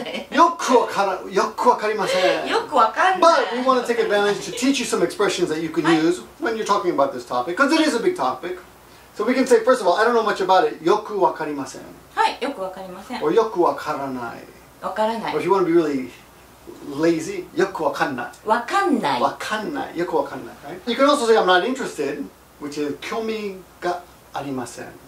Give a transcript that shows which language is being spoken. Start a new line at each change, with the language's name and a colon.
Japanese: よくわかんない。よくわかりません。よくわかんない。
English: But we want to take advantage to teach you some expressions that you can use when you're talking about this topic, because it is a big topic. So we can say, first of all, I don't know much about it.
Japanese: よくわかりません。はい、よくわかりません。 Or よくわからない。わからない。
English: Or if you want to be really lazy,
Japanese: よくわかんない。わかんない。わかんない。よくわかんない。
English: Right? You can also say, I'm not interested, which is
Japanese: 興味がありません。